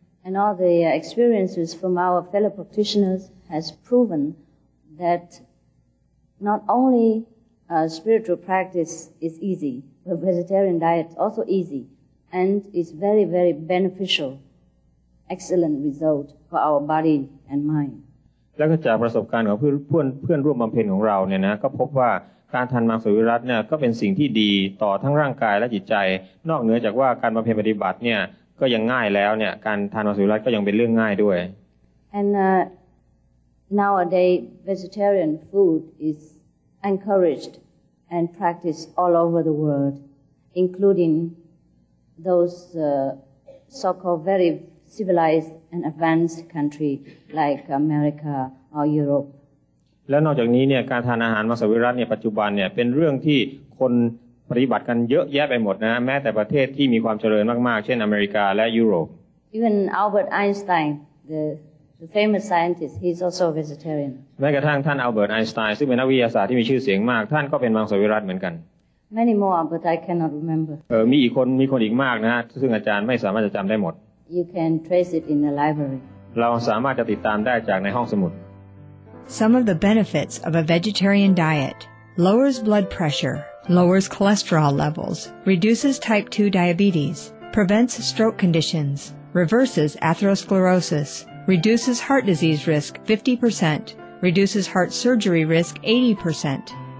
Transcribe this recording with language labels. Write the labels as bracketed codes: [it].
[en] And all the experiences from our fellow practitioners has proven that not only spiritual practice is easy, but vegetarian diet also easy and is very very beneficial, excellent result for our body and mind. [th] และจากประสบการณ์ของเพื่อนร่วมบำเพ็ญของเราเนี่ยนะก็พบว่าการทานมังสวิรัติเนี่ยก็เป็นสิ่งที่ดีต่อทั้งร่างกายและจิตใจนอกเหนือจากว่าการบำเพ็ญปฏิบัติเนี่ยก็ยังง่ายแล้วเนี่ยการทานมังสวิรัติก็ยังเป็นเรื่องง่ายด้วย [en] And nowadays vegetarian food is encouraged and practiced all over the world including those so-called very civilized and advanced country like America or Europe [th] และนอกจากนี้เนี่ยการทานอาหารมังสวิรัติเนี่ยปัจจุบันเนี่ยเป็นเรื่องที่คนปฏิบัติกันเยอะแยะไปหมดนะแม้แต่ประเทศที่มีความเจริญมากๆเช่นอเมริกาและยุโรป [en] Even Albert Einstein the famous scientist he's also a vegetarian [th] แม้กระทั่งท่านอัลเบิร์ตไอน์สไตน์ซึ่งเป็นนักวิทยาศาสตร์ที่มีชื่อเสียงมากท่านก็เป็นมังสวิรัติเหมือนกัน [en] Many more but I cannot remember [th] มีคนอีกมากนะซึ่งอาจารย์ไม่สามารถจะจำได้หมด [en] You can trace it in the library [th] เราสามารถจะติดตามได้จากในห้องสมุด [en] Some of the benefits of a vegetarian diet. Lowers blood pressure. Lowers cholesterol levels. Reduces type 2 diabetes. Prevents stroke conditions. Reverses atherosclerosis. Reduces heart disease risk 50%. Reduces heart surgery risk 80%.